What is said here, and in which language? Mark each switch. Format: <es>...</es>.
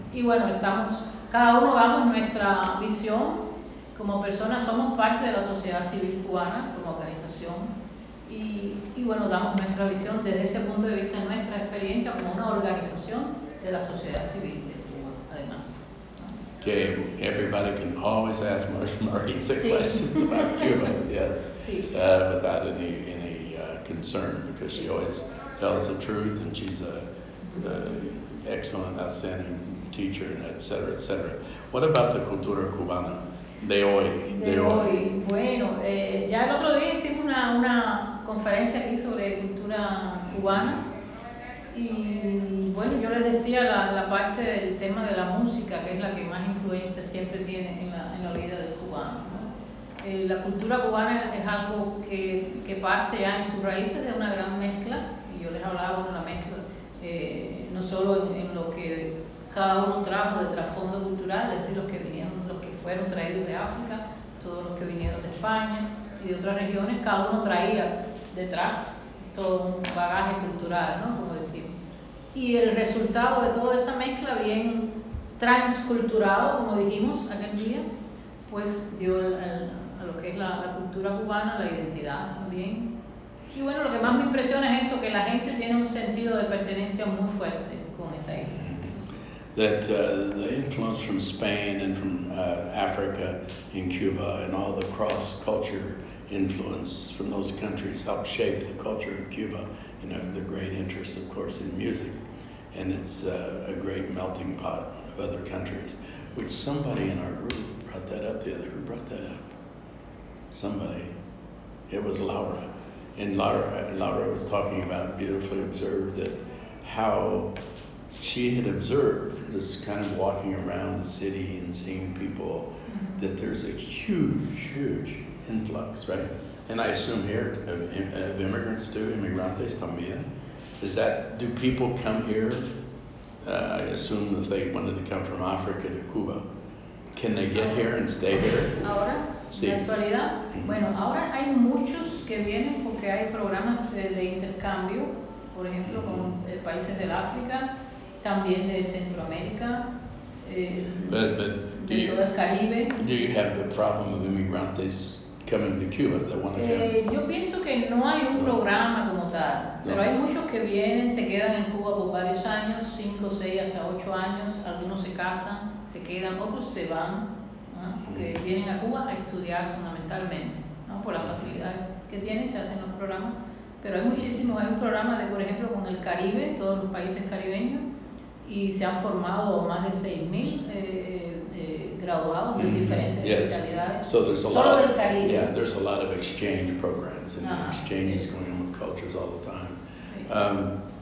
<es>Y bueno, estamos, cada uno damos nuestra visión como personas, somos parte de la sociedad civil cubana como organización y bueno, damos nuestra visión desde ese punto de vista, nuestra experiencia como una organización de la sociedad civil de Cuba, además. Que okay.</es> <en>Everybody can always ask Marisa questions about Cuba, yes, without any concern, because she always tells the truth, and she's an excellent, outstanding teacher, and et cetera, et cetera. What about the</en> <es>cultura cubana de hoy? De hoy. Bueno, ya el otro día hicimos una conferencia aquí sobre cultura cubana, y bueno, yo les decía la parte del tema de la música, que es la que más influencia siempre tiene en la vida del cubano, ¿no? La cultura cubana es algo que parte ya en sus raíces de una gran mezcla. Yo les hablaba, bueno, la mezcla, no solo en lo que cada uno trajo de trasfondo cultural, es decir, los que fueron traídos de África, todos los que vinieron de España y de otras regiones, cada uno traía detrás todo un bagaje cultural, ¿no? Como decimos. Y el resultado de toda esa mezcla, bien transculturado, como dijimos aquel día, pues dio a lo que es la cultura cubana, la identidad, bien. Y bueno, lo que más me impresiona es eso, que la gente tiene un sentido de pertenencia muy fuerte con esta isla.</es> <en>That the influence from Spain and from Africa and Cuba and all the cross-culture influence from those countries helped shape the culture of Cuba, you know, the great interest, of course, in music. And it's a great melting pot of other countries. Which somebody in our group brought that up the other, who brought that up? Somebody. It was Laura. And Laura was talking about, beautifully observed, that how she had observed, just kind of walking around the city and seeing people, that there's a huge, huge influx, right? And I assume here of immigrants too,</en> <es>inmigrantes también.</es> <en>Is that, do people come here? I assume if they wanted to come from Africa to Cuba, can they get here and stay here?</en> <es>Ahora, sí. En la actualidad, bueno, ahora hay muchos que vienen porque hay programas de intercambio, por ejemplo, con países del África, también de Centroamérica, de todo el Caribe.</es> <en>Do you have the problem of immigrants coming to Cuba that want to come?</en> <es>Yo pienso que no hay un programa como tal, pero hay muchos que vienen, se quedan en Cuba por varios años, 5, 6, hasta 8 años, algunos se casan, se quedan, otros se van, ¿no? Porque vienen a Cuba a estudiar fundamentalmente, ¿no? Por la facilidad que tienen, se hacen los programas, pero hay muchísimos, hay un programa de, por ejemplo, con el Caribe, todos los países caribeños, y se han formado más de 6,000 graduados de diferentes especialidades.</es> <en>So there's a</en> <es>solo</es> <en>lot</en> <es>del Caribe.</es> <en>Yeah, there's a lot of exchange programs, and exchange is going on with cultures all the time.</en>